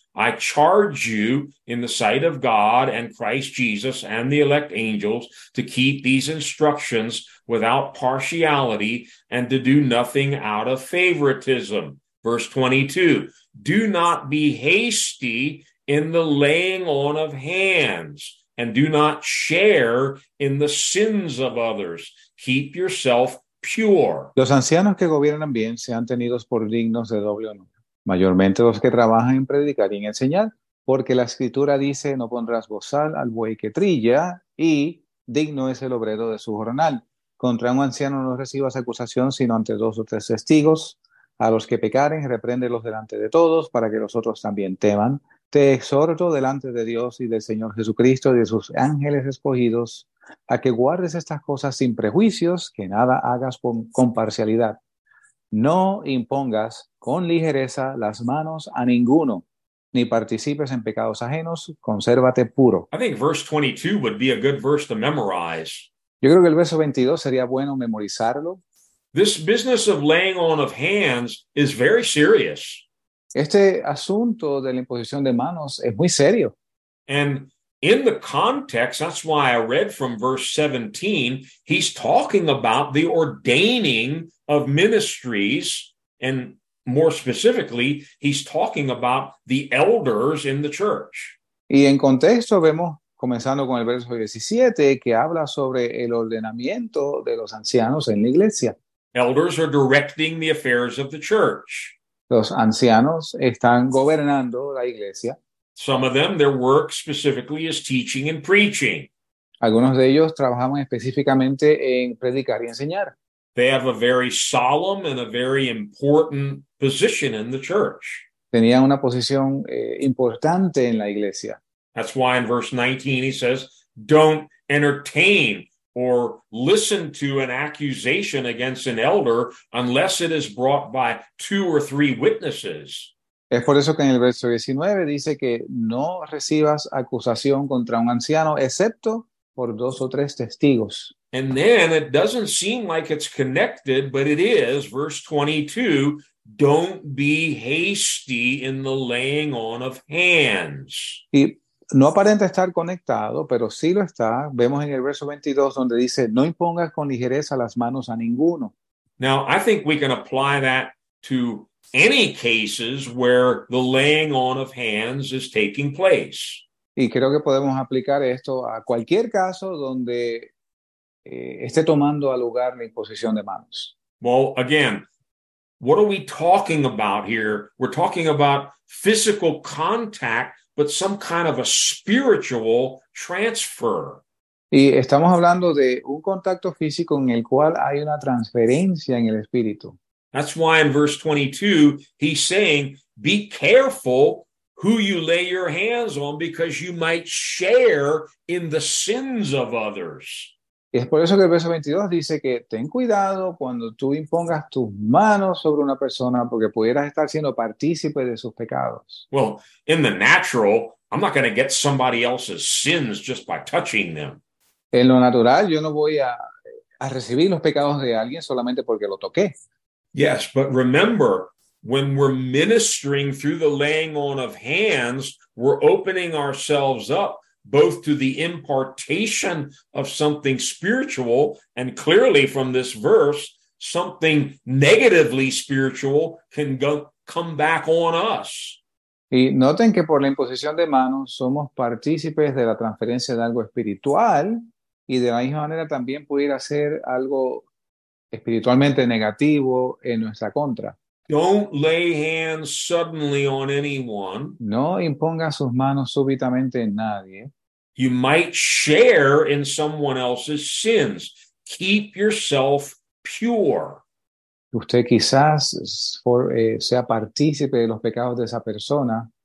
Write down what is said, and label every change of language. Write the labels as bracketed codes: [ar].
[en] I charge you in the sight of God and Christ Jesus and the elect angels to keep these instructions without partiality and to do nothing out of favoritism.'" Verse 22, "Do not be hasty in the laying on of hands, and do not share in the sins of others. Keep yourself pure." [es] Los ancianos que gobiernan bien sean tenidos por dignos de doble honor, mayormente los que trabajan en predicar y en enseñar, porque la escritura dice, "No pondrás bozal al buey que trilla, y digno es el obrero de su jornal. Contra un anciano no recibas acusación, sino ante dos o tres testigos. A los que pecaren, repréndelos delante de todos, para que los otros también teman. Te exhorto delante de Dios y del Señor Jesucristo y de sus ángeles escogidos, a que guardes estas cosas sin prejuicios, que nada hagas con parcialidad. No impongas con ligereza las manos a ninguno, ni participes en pecados ajenos, consérvate puro. [en] I think verse 22 would be a good verse to memorize. [es] Yo creo que el verso 22 sería bueno memorizarlo. [en] This business of laying on of hands is very serious. [es] Este asunto de la imposición de manos es muy serio. [en] And in the context, that's why I read from verse 17, he's talking about the ordaining of ministries, and more specifically, he's talking about the elders in the church. [es] Y en contexto vemos, comenzando con el verso 17, que habla sobre el ordenamiento de los ancianos en la iglesia. [en] Elders are directing the affairs of the church. [es] Los ancianos están gobernando la iglesia. [en] Some of them, their work specifically is teaching and preaching. [es] Algunos de ellos trabajan específicamente en predicar y enseñar. [en] They have a very solemn and a very important position in the church. [es] Tenían una posición importante en la iglesia. [en] That's why in verse 19 he says, don't entertain or listen to an accusation against an elder unless it is brought by two or three witnesses. [es] Es por eso que en el verso 19 dice que no recibas acusación contra un anciano excepto por dos o tres testigos. [en] And then it doesn't seem like it's connected, but it is. Verse 22, don't be hasty in the laying on of hands. [es] Y no aparenta estar conectado, pero sí lo está. Vemos en el verso 22 donde dice, no impongas con ligereza las manos a ninguno. [en] Now, I think we can apply that to any cases where the laying on of hands is taking place. [es] Y creo que podemos aplicar esto a cualquier caso donde esté tomando a lugar la imposición de manos. [en] Well, again, what are we talking about here? We're talking about physical contact, but some kind of a spiritual transfer. [es] Y estamos hablando de un contacto físico en el cual hay una transferencia en el espíritu. [en] That's why in verse 22, he's saying, be careful who you lay your hands on because you might share in the sins of others. [es] Y es por eso que el verso 22 dice que ten cuidado cuando tú impongas tus manos sobre una persona porque pudieras estar siendo partícipe de sus pecados. [en] Well, in the natural, I'm not going to get somebody else's sins just by touching them. [es] En lo natural, yo no voy a recibir los pecados de alguien solamente porque lo toqué. [en] Yes, but remember, when we're ministering through the laying on of hands, we're opening ourselves up both to the impartation of something spiritual, and clearly from this verse, something negatively spiritual can come back on us. [es] Y noten que por la imposición de manos somos partícipes de la transferencia de algo espiritual, y de la misma manera también pudiera ser algo espiritualmente negativo en nuestra contra. [en] Don't lay hands suddenly on anyone. [es] No imponga sus manos súbitamente en nadie. [en] You might share in someone else's sins. Keep yourself pure. [es] Usted quizás sea partícipe de los pecados de esa persona.